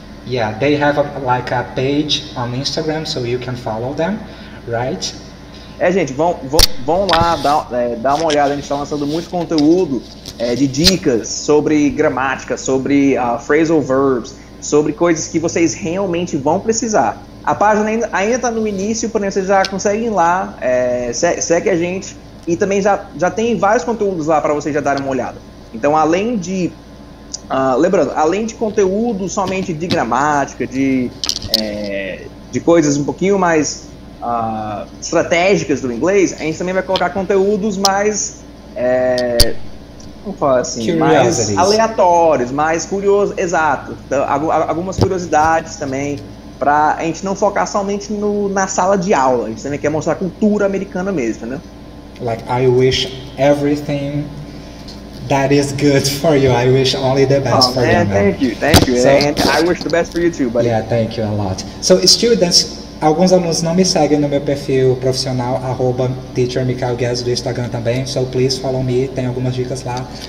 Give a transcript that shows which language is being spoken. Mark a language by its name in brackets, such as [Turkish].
[English] Yeah, they have a page on Instagram, so you can follow them, right? [Portuguese] É, gente, vão lá, dá uma olhada, a gente tá lançando muito conteúdo de dicas sobre gramática, sobre phrasal verbs, sobre coisas que vocês realmente vão precisar. A página ainda está no início, porém vocês já conseguem ir lá, segue a gente e também já tem vários conteúdos lá para vocês já darem uma olhada. Então, além de, lembrando, além de conteúdo somente de gramática, de coisas um pouquinho mais estratégicas do inglês, a gente também vai colocar conteúdos mais, como falar assim, mais aleatórios, mais curiosos, exato, então, algumas curiosidades também. Pra a gente não focar somente na sala de aula, a gente também quer mostrar a cultura americana mesmo, né? [English] Like, I wish everything that is good for you. I wish only the best for you, man. Thank you. So, and I wish the best for you too, buddy. Yeah, thank you a lot. So, students, [Portuguese] alguns alunos não me seguem no meu perfil profissional, @teachermichaelguess do Instagram também. [English] So, please follow me, [Portuguese] tem algumas dicas lá.